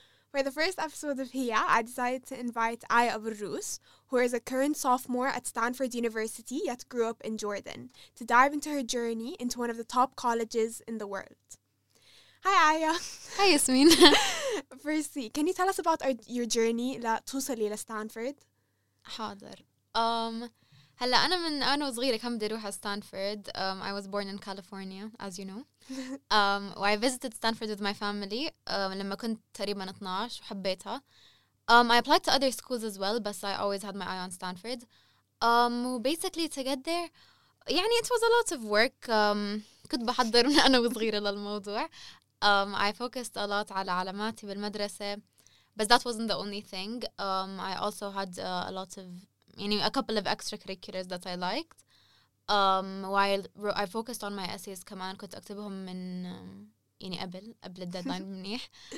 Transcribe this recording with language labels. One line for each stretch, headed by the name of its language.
English: For the first episode of Hiya, I decided to invite Aya Aburous, who is a current sophomore at Stanford University yet grew up in Jordan, to dive into her journey into one of the top colleges in the world. Hi, Aya. Hi, Yasmin. Firstly, can you tell us about your journey to Stanford?
Arabic: حاضر. هلا أنا من أنا وصغيرة كم بدي أروح على Stanford.
English: I was born in California, as you know. I visited Stanford with my family
Arabic: لما كنت تقريبا 12 وحبيتها.
English: I applied to other schools as well, but I always had my eye on Stanford. Basically to get there, يعني it was a lot of work.
Arabic: كنت بحضر من أنا وصغيرة للموضوع.
English: I focused a lot
Arabic: على علاماتي بالمدرسة,
English: but that wasn't the only thing. I also had a lot of a couple of extracurriculars that I liked. While I focused on my essays,
Arabic: كمان كنت أكتبهم من قبل الديدلاين منيح.